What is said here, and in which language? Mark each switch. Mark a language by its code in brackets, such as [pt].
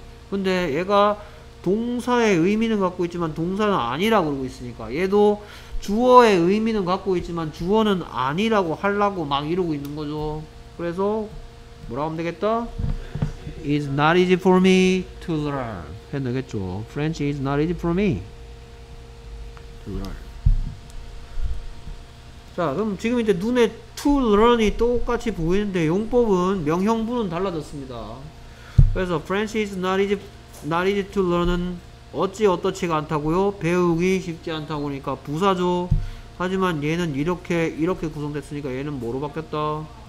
[ko] 근데 얘가 동사의 의미는 갖고 있지만 동사는 아니라고 그러고 있으니까 얘도 주어의 의미는 갖고 있지만 주어는 아니라고 하려고 막 이러고 있는 거죠. 그래서 뭐라고 하면 되겠다? [en] It's not easy for me to learn. [ko] 해내겠죠. [en] French is not easy for me to learn. [ko] 자, 그럼 지금 이제 눈에 to learn이 똑같이 보이는데 용법은 명형부는 달라졌습니다. 그래서 [en] French is not easy to learn [ko] 은 어찌 어떠치가 않다고요? 배우기 쉽지 않다고니까 부사죠. 하지만 얘는 이렇게 구성됐으니까 얘는 뭐로 바뀌었다?